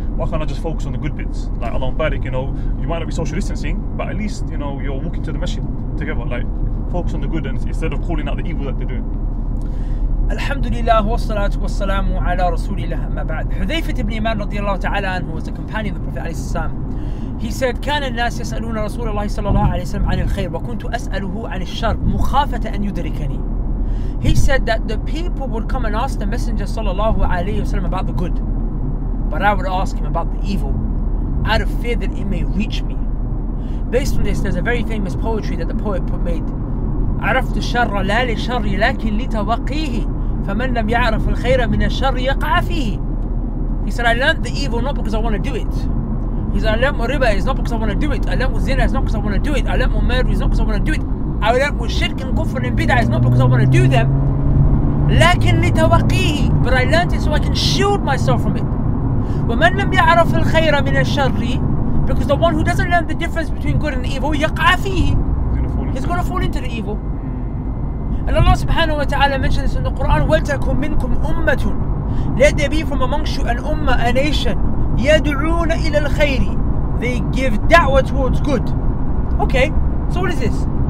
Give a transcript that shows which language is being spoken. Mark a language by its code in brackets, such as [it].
[en] Why can't I just focus on the good bits? Like, Allahu Barik, you know, you might not be social distancing, but at least, you know, you're walking to the masjid together. Like, focus on the good instead of calling out the evil that they're doing. [ar] Alhamdulillah, wa salatu wa salamu ala rasulillah amma ba'd. [en] Hudhayfah ibn Yaman radiyallahu ta'ala anhu was a companion of the Prophet alayhi salam. He said, [ar] كان الناس يسألون رسول الله صلى الله عليه وسلم عن الخير وكنت أسأله عن الشر مخافة أن يدركني. [en] He said that the people would come and ask the Messenger صلى الله عليه وسلم about the good, but I would ask him about the evil out of fear that it may reach me. Based on this, there's a very famous poetry that the poet made. [ar] عرفت الشر لا لشر لكن لتوقيه فمن لم يعرف الخير من الشر يقع فيه. [en] He said, I learned the evil not because I want to do it. He said, I learnt with riba, it's not because I want to do it. I learnt with zina, it's not because I want to do it. I learnt with murder, it's not because I want to do it. I learnt with shirk and kufr and bid'ah, it's not because I want to do them. [ar] لكن لتوقيه. [en] But I learnt it so I can shield myself from it. [ar] ومن لم يعرف الخير من الشر. [en] Because the one who doesn't learn the difference between good and evil, [ar] يقع فيه. [en] He's going to fall into the evil. And Allah subhanahu wa ta'ala mentions this in the Quran, [ar] ولتكن منكم أمة. [en] Let there be from amongst you an ummah, a nation. [ar] يَدْعُونَ إِلَى الْخَيْرِ. [en] They give da'wah towards good. Okay, so what is this?